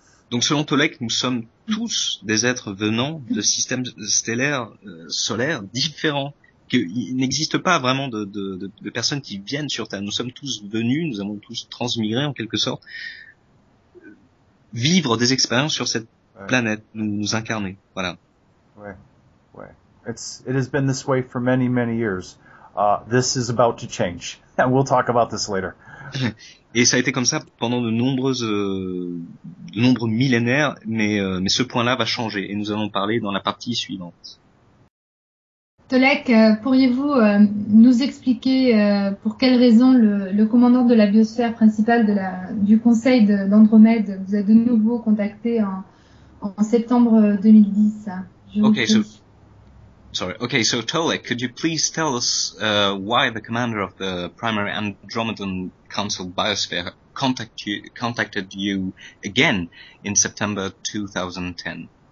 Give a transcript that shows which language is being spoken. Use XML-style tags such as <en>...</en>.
<fr>Donc selon Tolek, nous sommes tous des êtres venant de systèmes stellaires solaires différents. Il n'existe pas vraiment de personnes qui viennent sur Terre. Nous sommes tous venus, nous avons tous transmigré en quelque sorte, vivre des expériences sur cette planète, nous incarner. Voilà. Ouais.</fr> <en>It has been this way for many, many years. This is about to change. And we'll talk about this later.</en> <fr>Et ça a été comme ça pendant de nombreux millénaires, mais ce point-là va changer et nous allons parler dans la partie suivante. Tolek, pourriez-vous nous expliquer pour quelles raisons le commandant de la biosphère principale du Conseil d'Andromède vous a de nouveau contacté en septembre 2010? Je vous prie.</fr> <en>Okay, so Tolek, could you please tell us why the commander of the Primary Andromedan Council Biosphere contacted you again in September 2010?</en>